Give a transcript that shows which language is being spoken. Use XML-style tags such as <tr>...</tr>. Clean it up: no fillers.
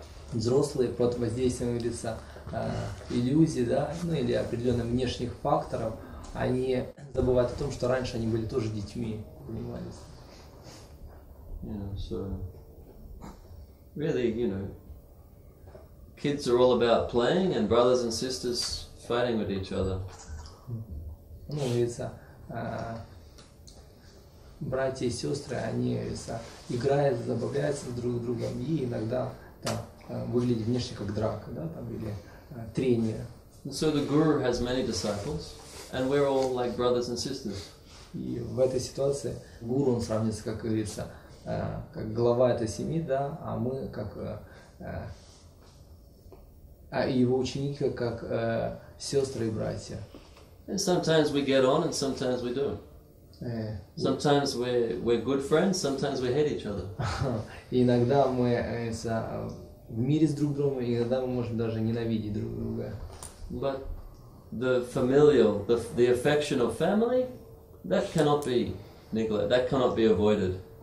<ru>Взрослые под воздействием лица иллюзий, да, ну или определенных внешних факторов, они забывают о том, что раньше они были тоже детьми, понимаете?</ru> <en>Yeah, so really, you know, kids are all about playing and brothers and sisters fighting with each other.</en> <ru>Ну, говорится, братья и сестры, они, говорится, играют, забавляются друг с другом и иногда там выглядят внешне как драка, да, там или трения.</ru> <en>So the guru has many disciples. And we're all like brothers and sisters.</en> <ru>И в этой ситуации гуру он сравнится, как говорится, как глава этой семьи, да, а мы как его ученики как сестры и братья.</ru> <en>And sometimes we get on, and sometimes we don't. Sometimes we're good friends, sometimes we hate each other.</en> <ru>Иногда мы в мире с друг другом, иногда мы можем даже ненавидеть друг друга.</ru> <en>But the familial, the affection of family, that cannot be neglected, that cannot be avoided.</en>